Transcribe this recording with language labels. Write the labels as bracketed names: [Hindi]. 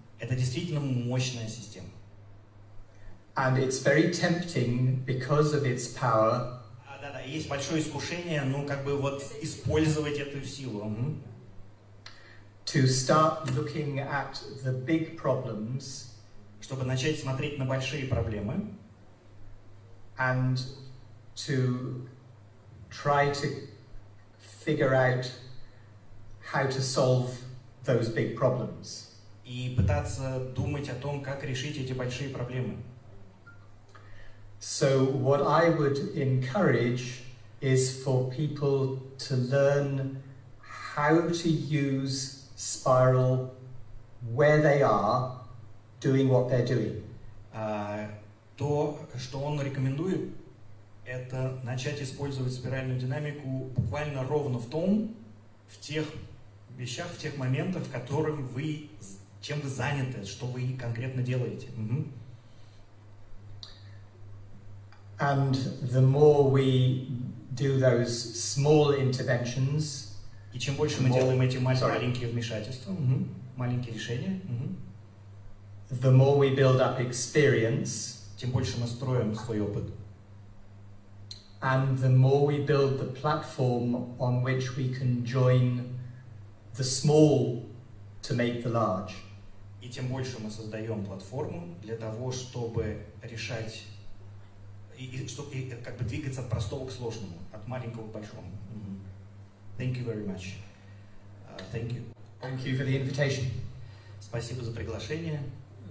[Russian] Это действительно мощная система. [English] And it's very tempting because of its power. [Russian] Да-да, есть большое искушение, ну, как бы вот использовать эту силу. Mm-hmm. [English] To start looking at the big problems. [Russian] Чтобы начать смотреть на большие проблемы. [English] And to try to figure out how to solve those big problems. [Russian] И пытаться думать о том, как решить эти большие проблемы. [English] So what I would encourage is for people to learn how to use spiral where they are doing what they're doing. [Russian] То, что он рекомендует, это начать использовать спиральную динамику буквально ровно в том, в тех вещах, в тех моментах, в которых вы, чем вы заняты, что вы конкретно делаете. Mm-hmm. [English] And the more we do those small interventions, [Russian] и чем больше мы делаем эти маленькие вмешательства, маленькие решения, [English] the more we build up experience, [Russian] тем больше мы строим свой опыт, [English] and the more we build the platform on which we can join the small to make the large, [Russian] и тем больше мы создаем платформу для того, чтобы решать и как бы двигаться от простого к сложному, от маленького к большому. [English] Mm-hmm. Thank you very much. Thank you. Thank you for the invitation. [Russian] Спасибо за приглашение.